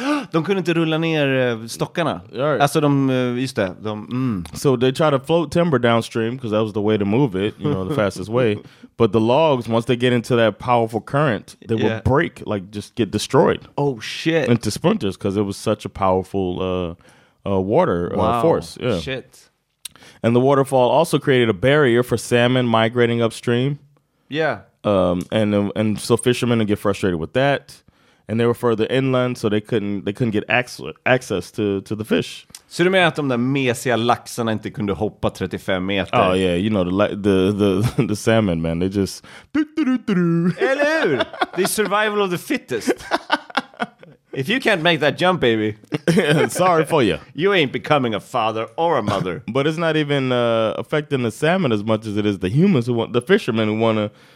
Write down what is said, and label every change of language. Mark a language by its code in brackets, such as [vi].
[sv] De kunde inte rulla ner stockarna. [en] Right. [sv] Alltså de, just det. De, [en] So they try to float timber downstream because that was the way to move it, you know, the fastest way. But the logs, once they get into that powerful current, they will break, like just get destroyed. Oh, shit. Into splinters because it was such a powerful water force. Yeah. Shit. And the waterfall also created a barrier for salmon migrating upstream. Yeah. And so fishermen would get frustrated with that. And they were further inland, so they couldn't get access to the fish. [sv] Så du menar att de där mesiga laxarna inte kunde hoppa 35 meter? [en] Oh yeah, you know, the salmon, man, they just... [sv] Eller hur? [en] The survival of the fittest. If you can't make that jump, baby... Sorry for you. You ain't becoming a father or a mother. But it's not even affecting the salmon as much as it is the humans who want... The fishermen who want to...